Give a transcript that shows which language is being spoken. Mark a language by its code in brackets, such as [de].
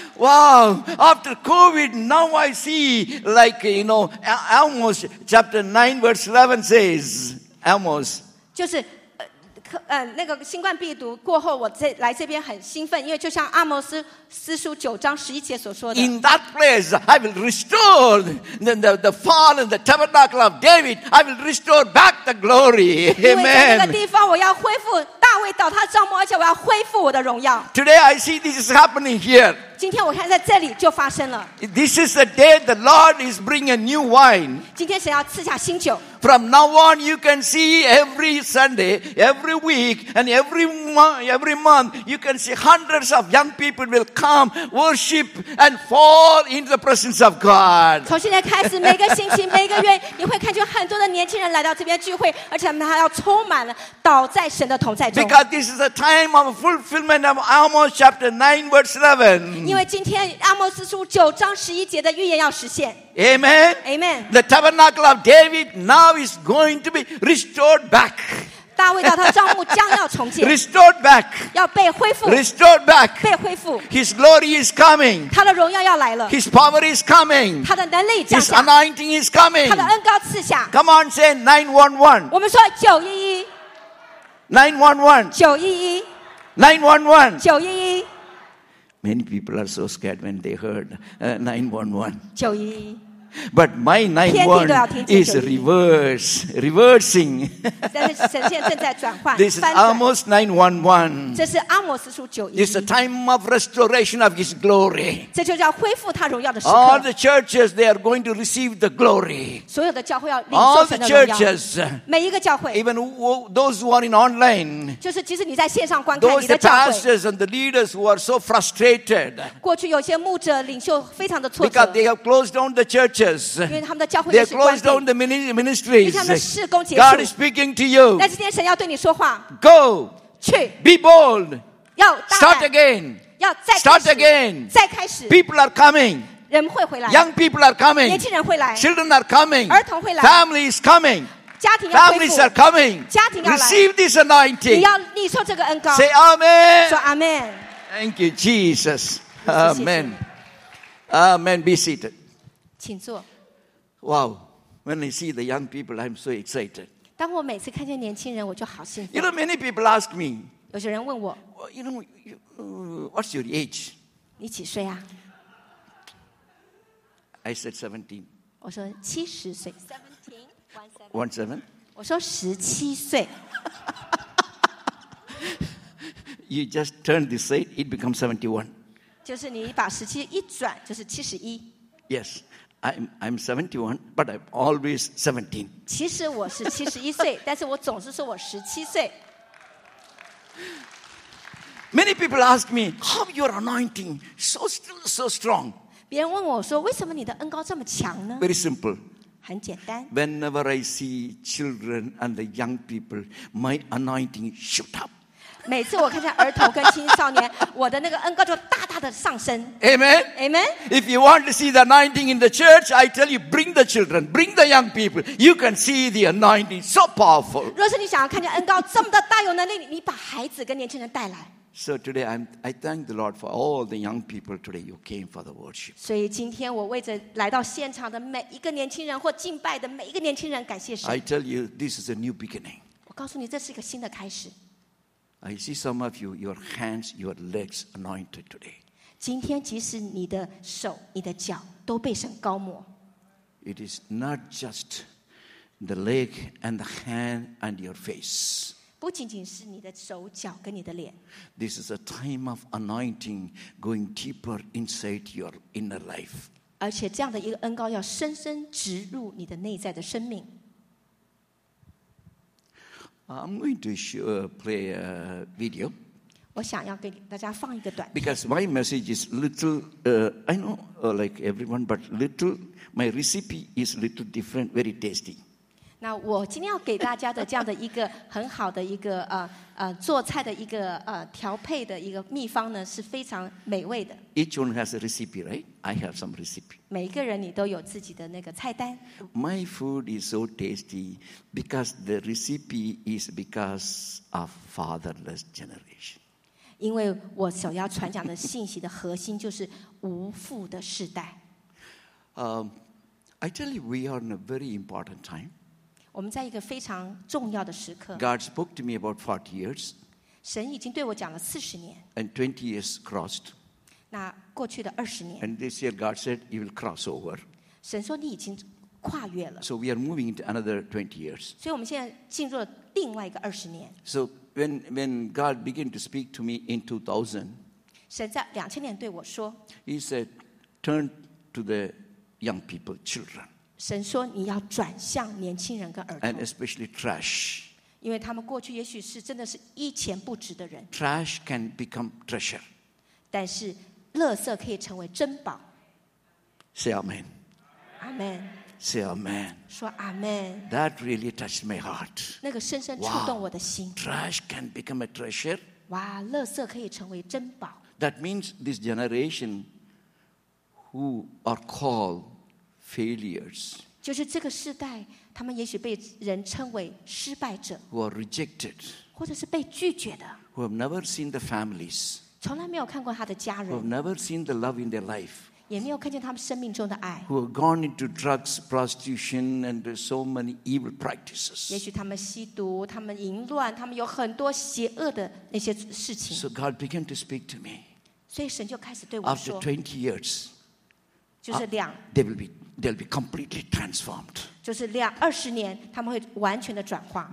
[en] Wow, after COVID, now I see, like, you know, Amos chapter 9 verse 11 says, Amos. [zh] 就是那个新冠病毒过后，我这来这边很兴奋，因为就像阿摩斯斯书九章十一节所说的。 [en] In that place, I will restore the fallen, the tabernacle of David. I will restore back the glory. Amen. [zh] 因为在那个地方，我要恢复大卫倒塌帐幕，而且我要恢复我的荣耀。 [en] Today, I see this is happening here. [zh] 今天我看在这里就发生了。 [en] This is the day the Lord is bringing new wine. [zh] 今天神要赐下新酒。 [en] From now on, you can see every Sunday, every week, and every month, you can see hundreds of young people will come, worship, and fall into the presence of God. [zh] 从现在开始，每个星期、每个月，你会看见很多的年轻人来到这边聚会，而且他们还要充满了倒在神的同在中。 [en] Because this is the time of fulfillment of Amos chapter 9, verse 11. [zh] 因为今天阿摩斯书九章十一节的预言要实现。 [en] Amen. Amen. The tabernacle of David now is going to be restored back. [zh] 大卫到他的帐幕将要重建。 [en] Restored back. [zh] 要被恢复。 [en] Restored back. [zh] 被恢复。 [en] His glory is coming. [zh] 他的荣耀要来了。 [en] His power is coming. [zh] 他的能力降下。 [en] His anointing is coming. [zh] 他的恩膏赐下。 [en] Come on, say 911. [zh] 我们说911。 911。 911。 911。 911。 [en] Many people are so scared when they heard 911. 911. But my 911 is reversing. This is Amos 911. [zh] 这是阿摩斯书911. [en] It's the time of restoration of his glory. [zh] 这就叫恢复他荣耀的时刻. [en] All the churches, they are going to receive the glory. [zh] 所有的教会要领受神的荣耀. [en] All the churches, [zh] 每一个教会, [en] even those who are in online, [zh] 就是即使你在线上观看, [en] those the pastors and the leaders who are so frustrated, [zh] 过去有些牧者领袖非常的挫折, [en] because they have closed down the church. They closed down the ministries. God is speaking to you. [zh] 但是今天神要对你说话。 [en] Go. [zh] 去。 [en] Be bold. [zh] 要大胆。 [en] Start again. [zh] 要再开始。 [en] Start again. [zh] 再开始。 [en] People are coming. [zh] 人会回来。 [en] Young people are coming. [zh] 年轻人会来。 [en] Children are coming. [zh] 儿童会来。 [en] Family is coming. [zh] 家庭要恢复。 [en] Families are coming. [zh] 家庭要来。 [en] Receive this anointing. [zh] 你要领受这个恩膏。 [en] Say amen. [zh] 说 amen. [en] Thank you, Jesus. Amen. Amen. Be seated. [zh] 请坐。 [en] Wow, when I see the young people, I'm so excited. [zh] 当我每次看见年轻人，我就好兴奋。 [en] You know, many people ask me. [zh] 有些人问我。 [en] You know, what's your age? [zh] 你几岁啊？ [en] I said 17. [zh] 我说七十岁。 [en] 17? 17? [zh] 我说十七岁。 [en] You just turn this side, it becomes 71. [zh] 就是你把十七一转，就是七十一。 [en] Yes. I'm 71, but I'm always 17. [zh] 其实我是71岁，但是我总是说我17岁。 [en] Many people ask me, how your anointing so strong? [zh] 别人问我说，为什么你的恩膏这么强呢？ [en] Very simple. [zh] 很简单。 [en] Whenever I see children and the young people, my anointing shoot up. [zh] 每次我看见儿童跟青少年，我的那个恩膏就大大的上升。 [en] Amen. Amen. If you want to see the anointing in the church, I tell you, bring the children, bring the young people. You can see the anointing so powerful. [zh] 若是你想要看见恩膏这么的大有能力，你把孩子跟年轻人带来。 [en] So today I thank the Lord for all the young people today who came for the worship. [zh] 所以今天我为着来到现场的每一个年轻人或敬拜的每一个年轻人感谢神。 [en] I tell you, this is a new beginning. [zh] 我告诉你，这是一个新的开始。 [en] I see some of you, your hands, your legs anointed today. [zh] 今天即使你的手、你的脚都被神膏抹。 [en] It is not just the leg and the hand and your face. [zh] 不仅仅是你的手、脚跟你的脸。 [en] This is a time of anointing going deeper inside your inner life. [zh] 而且这样的一个恩膏要深深植入你的内在的生命。 [en] I'm going to play a video. [zh] 我想要给大家放一个短片。 [en] Because my message is little, I know, like everyone, but little, my recipe is little different, very tasty. [zh] 那我今天要给大家的这样的一个很好的一个做菜的一个调配的一个秘方呢，是非常美味的。 [en] Each one has a recipe, right? I have some recipe. [zh] 每一个人你都有自己的那个菜单。 [en] My food is so tasty because the recipe is because of fatherless generation. [zh] 因为我所要传讲的信息的核心就是无父的世代。 [en] I tell you, we are in a very important time. [zh] 我们在一个非常重要的时刻。 [en] God spoke to me about 40 years. [zh] 神已经对我讲了40年。 [en] And 20 years crossed. [zh] 那过去的20年。 [en] And this year God said you will cross over. [zh] 神说你已经跨越了。 [en] So we are moving into another 20 years. [zh] 所以我们现在进入了另外一个20年。 [en] So when God began to speak to me in 2000, [zh] 神在2000年对我说。 [en] He said, turn to the young people, children. [zh] 神说你要转向年轻人跟儿童 [en] and especially trash [zh] 因为他们过去也许是真的是一钱不值的人 [en] trash can become treasure [zh] 但是垃圾可以成为珍宝 [en] say amen amen say amen [zh] 说 amen [en] that really touched my heart [zh] 那个深深触动我的心 [en] wow, trash can become a treasure [zh] 哇垃圾可以成为珍宝 [en] that means this generation who are calledfailures [zh] 就是这个世代他们也许被人称为失败者 [en] who are rejected [zh] 或者是被拒绝的 [en] who have never seen the families [zh] 从来没有看过他的家人 [en] who have never seen the love in their life [zh] 也没有看见他们生命中的爱 [en] who have gone into drugs, prostitution and so many evil practices [zh] 也许他们吸毒他们淫乱他们有很多邪恶的那些事情 [en] so God began to speak to me [zh] 所以神就开始对我说 [en] after 20 years [zh] 就是两 [en] they will beThey'll be completely transformed. [zh] 就是两二十年，他们会完全的转化。